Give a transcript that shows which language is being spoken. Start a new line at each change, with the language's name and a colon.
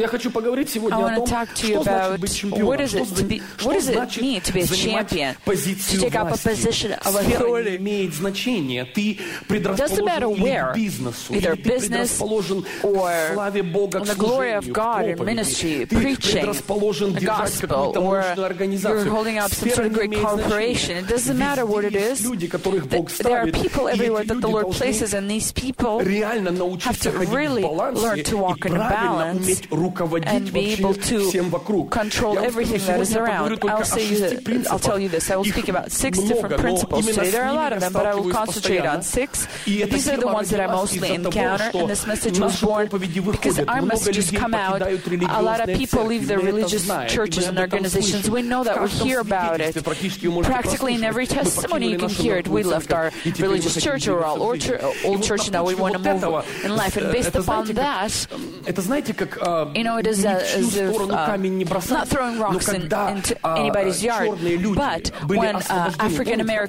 Russian: Я хочу поговорить сегодня о том, что значит быть чемпионом.
English: What does it mean to be a champion? To take up a position of authority.
Russian: Имеет значение. Ты предрасположен к бизнесу.
English: Either business or the glory of God in ministry, preaching the gospel, or you're holding up some sort of great corporation. It doesn't matter what it is. There are people everywhere that the Lord places, and these people have to really learn to walk in balance and be able to control everything that is around. I'll tell you this, I will speak about six different principles today. There are a lot of them, but I will concentrate on six. These are the ones that I mostly encounter, and this message was born because our messages come out. A lot of people leave their religious churches and organizations. We know that. We hear about it. Practically in every testimony you can hear it. We left our religious church or our old church, and now we want to move in life. And based upon that,
Russian: это знаете, как ни в чью сторону камень не бросать, но когда черные люди были освобождены